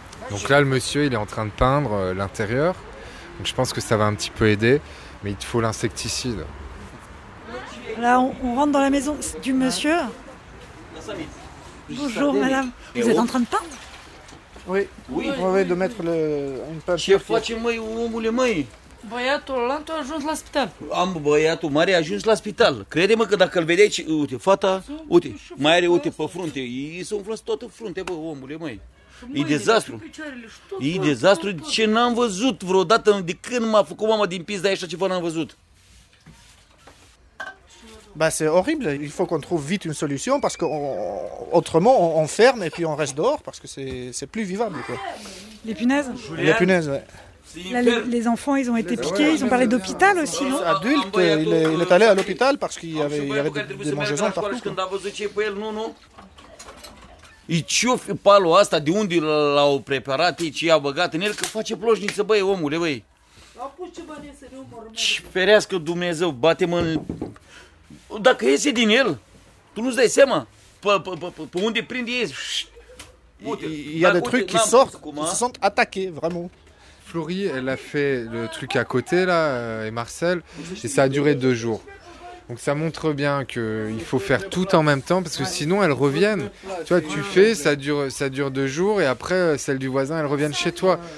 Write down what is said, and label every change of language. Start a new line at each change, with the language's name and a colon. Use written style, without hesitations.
French: Donc là, le monsieur, il est en train de peindre l'intérieur. Donc je pense que ça va un petit peu aider, mais il te faut l'insecticide. Là, on rentre dans la maison du monsieur. Bonjour madame, vous êtes en train de peindre? Oui, on va de mettre une peinture. Ce que nous faisons, les mains.
Romanian: Băiatul ăla a ajuns la spital. Am băiatul mare, a ajuns la spital. Crede-mă că dacă îl vedeți, uite, fata, uite, mai are, uite, pe frunte. Ei se umflă toată frunte, bă, omule, măi. E dezastru. E dezastru. Ce n-am văzut vreodată, de când m-a făcut mama din pizda așa ceva n-am văzut.
French: Bah, c'est horrible, il faut qu'on trouve vite une solution parce qu'autrement on ferme et puis on reste dehors parce que c'est plus vivable. Quoi. Les punaises? Les punaises, ouais. Là, les enfants, ils ont été piqués, ils ont parlé d'hôpital aussi, non? Adulte, il est allé à l'hôpital parce qu'il y avait, des mangeaisons partout.
Romanian: Et ce fait palul ăsta, de unde l-au preparat, ce i-a băgat în el, că face ploșniță, băi, omule, băi. Ce ferească Dumnezeu, bate-mă în... Dacă iese din el, tu nu-ți dai seama pe unde prinde ei.
French: Il y a des trucs qui sortent, se sont attaqués, vraiment. Flori, elle a fait le truc à côté, là, et Marcel, et ça a duré 2 jours. Donc ça montre bien qu'il faut faire tout en même temps, parce que sinon, elles reviennent. Tu vois, tu fais, ça dure 2 jours, et après, celles du voisin, elles reviennent chez toi.